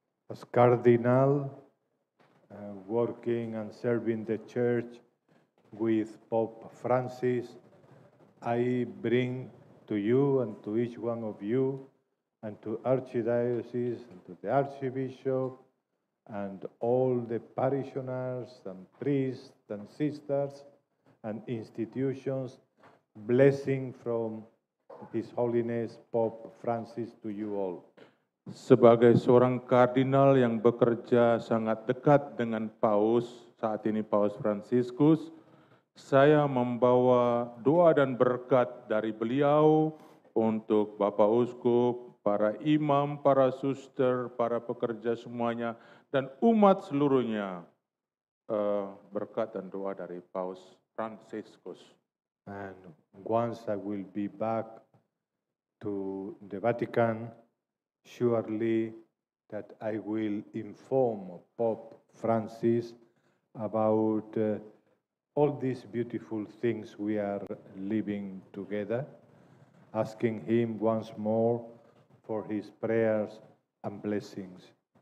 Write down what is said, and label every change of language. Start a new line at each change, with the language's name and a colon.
English: As cardinal, working and serving the church with Pope Francis, I bring to you and to each one of you and to Archdiocese and to the Archbishop and all the parishioners and priests and sisters and institutions blessing from His Holiness Pope Francis to you all.
Indonesian: Sebagai seorang kardinal yang bekerja sangat dekat dengan Paus, saat ini Paus Franciscus, saya membawa doa dan berkat dari beliau untuk Bapak Uskup, para imam, para suster, para pekerja semuanya, dan umat seluruhnya, berkat dan doa dari Paus Franciscus.
English: And once I will be back to the Vatican, surely that I will inform Pope Francis about all these beautiful things we are living together, asking him once more for his prayers and blessings.